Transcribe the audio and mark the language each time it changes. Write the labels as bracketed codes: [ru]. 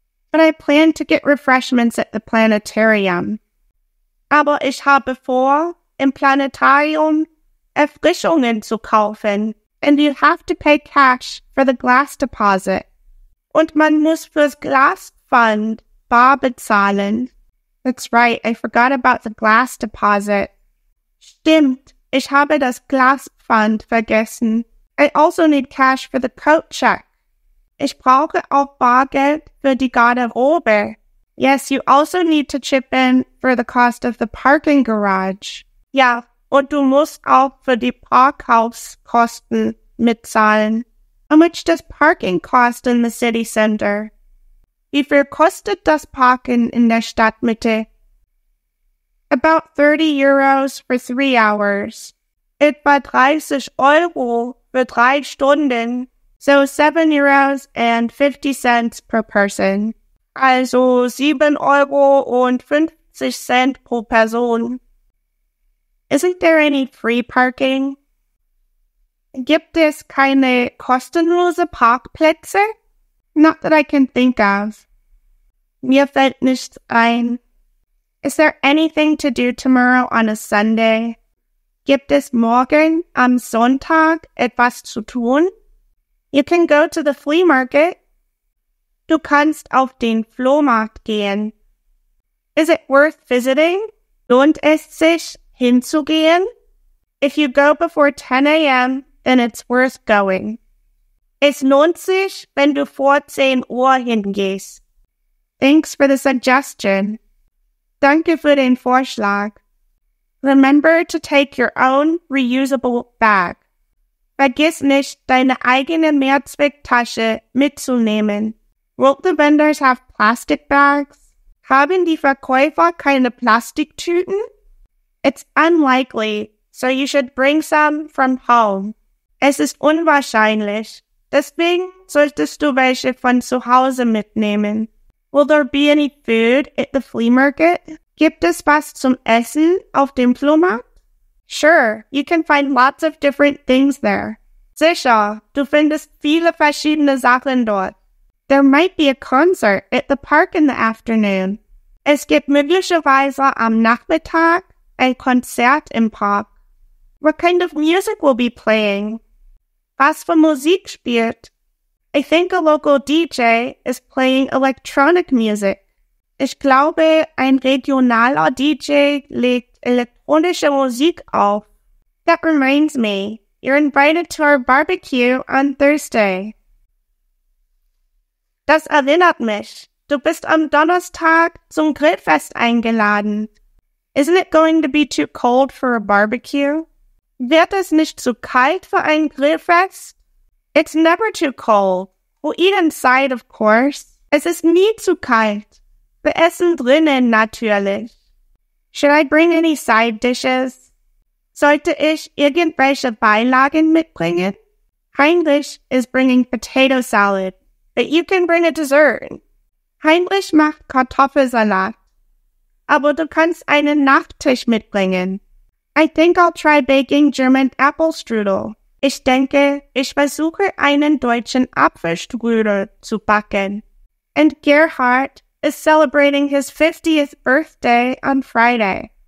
[en] But I plan to get refreshments at the planetarium. [de] Aber ich habe vor, im Planetarium Erfrischungen zu kaufen. [en] And you have to pay cash for the glass deposit. [de] Und man muss fürs Glasfund bar bezahlen. [en] That's right, I forgot about the glass deposit. [de] Stimmt, ich habe das Glasfund vergessen. [en] I also need cash for the coat check. [de] Ich brauche auch Bargeld für die Garderobe. [en] Yes, you also need to chip in for the cost of the parking garage. [de] Ja, und du musst auch für die Parkhauskosten mitzahlen. [en] How much does parking cost in the city center? [de] Wie viel kostet das Parken in der Stadtmitte? [en] About 30 euros for 3 hours. [de] Etwa 30 Euro für 3 Stunden. [en] So 7 euros and 50 cents per person. [de] Also 7 Euro und 50 Cent pro Person. [en] Isn't there any free parking? [de] Gibt es keine kostenlose Parkplätze? [en] Not that I can think of. [de] Mir fällt nichts ein. [en] Is there anything to do tomorrow on a Sunday? [de] Gibt es morgen am Sonntag etwas zu tun? [en] You can go to the flea market. [de] Du kannst auf den Flohmarkt gehen. [en] Is it worth visiting? [de] Lohnt es sich hinzugehen? [en] If you go before 10 a.m., then it's worth going. [de] Es lohnt sich, wenn du vor 10 Uhr hingehst. [en] Thanks for the suggestion. [de] Danke für den Vorschlag. [en] Remember to take your own reusable bag. [de] Vergiss nicht, deine eigene Mehrzwecktasche mitzunehmen. [en] Won't the vendors have plastic bags? [de] Haben die Verkäufer keine Plastiktüten? [en] It's unlikely, so you should bring some from home. [de] Es ist unwahrscheinlich, deswegen solltest du welche von zu Hause mitnehmen. [en] Will there be any food at the flea market? [de] Gibt es was zum Essen auf dem Flohmarkt? [en] Sure, you can find lots of different things there. [de] Sicher, du findest viele verschiedene Sachen dort. [en] There might be a concert at the park in the afternoon. [de] Es gibt möglicherweise am Nachmittag ein Konzert im Park. [en] What kind of music will be playing? [de] Was für Musik spielt? [en] I think a local DJ is playing electronic music. [de] Ich glaube, ein regionaler DJ legt elektronische Musik auf. [en] That reminds me, you're invited to our barbecue on Thursday. [de] Das erinnert mich. Du bist am Donnerstag zum Grillfest eingeladen. [en] Isn't it going to be too cold for a barbecue? [de] Wird es nicht zu kalt für ein Grillfest? [en] It's never too cold. We'll eat inside, of course. [de] Es ist nie zu kalt. Wir essen drinnen natürlich. [en] Should I bring any side dishes? [de] Sollte ich irgendwelche Beilagen mitbringen? [en] Heinrich is bringing potato salad. but you can bring a dessert. [de] Heinrich macht Kartoffelsalat. Aber du kannst einen Nachtisch mitbringen. [en] I think I'll try baking German apple strudel. [de] Ich denke, ich versuche einen deutschen Apfelstrudel zu backen. [en] And Gerhard is celebrating his 50th birthday on Friday.